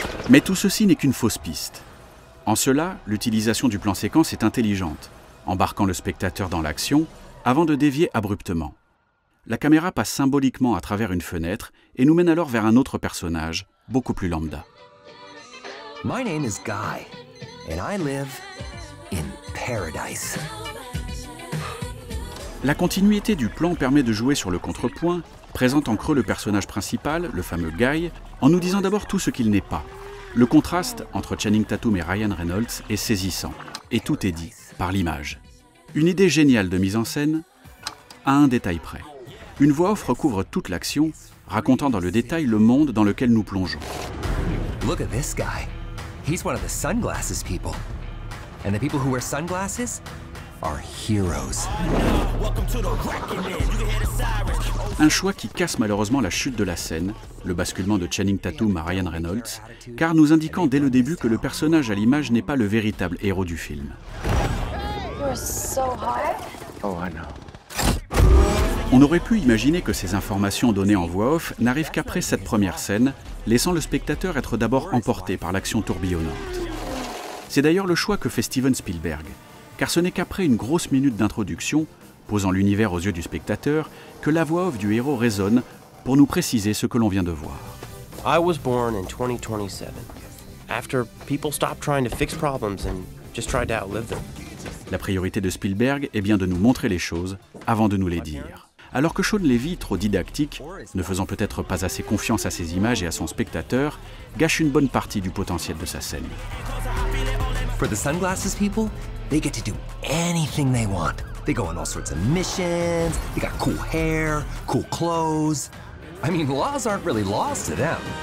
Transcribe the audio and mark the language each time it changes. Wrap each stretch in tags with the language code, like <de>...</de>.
<fr>Mais tout ceci n'est qu'une fausse piste. En cela, l'utilisation du plan séquence est intelligente, embarquant le spectateur dans l'action, avant de dévier abruptement. La caméra passe symboliquement à travers une fenêtre et nous mène alors vers un autre personnage, beaucoup plus lambda.</fr> <en>My name is Guy, and I live in paradise.</en> <fr>La continuité du plan permet de jouer sur le contrepoint, présente en creux le personnage principal, le fameux Guy, en nous disant d'abord tout ce qu'il n'est pas. Le contraste entre Channing Tatum et Ryan Reynolds est saisissant, et tout est dit par l'image. Une idée géniale de mise en scène, à un détail près. Une voix off recouvre toute l'action, racontant dans le détail le monde dans lequel nous plongeons.</fr> <en>Look at this guy. He's one of the sunglasses people. And the people who wear sunglasses are heroes.</en> <fr>Un choix qui casse malheureusement la chute de la scène, le basculement de Channing Tatum à Ryan Reynolds, car nous indiquant dès le début que le personnage à l'image n'est pas le véritable héros du film. On aurait pu imaginer que ces informations données en voix off n'arrivent qu'après cette première scène, laissant le spectateur être d'abord emporté par l'action tourbillonnante. C'est d'ailleurs le choix que fait Steven Spielberg, car ce n'est qu'après une grosse minute d'introduction, posant l'univers aux yeux du spectateur, que la voix off du héros résonne pour nous préciser ce que l'on vient de voir.</fr> <en>I was born in 2027, after people stopped trying to fix problems and just tried to outlive them.</en> <fr>La priorité de Spielberg est bien de nous montrer les choses avant de nous les dire. Alors que Shaun Levy, trop didactique, ne faisant peut-être pas assez confiance à ses images et à son spectateur, gâche une bonne partie du potentiel de sa scène.</fr> <en>For the sunglasses people, they get to do anything they want. They go on all sorts of missions, they got cool hair, cool clothes. I mean, laws aren't really laws to them.</en>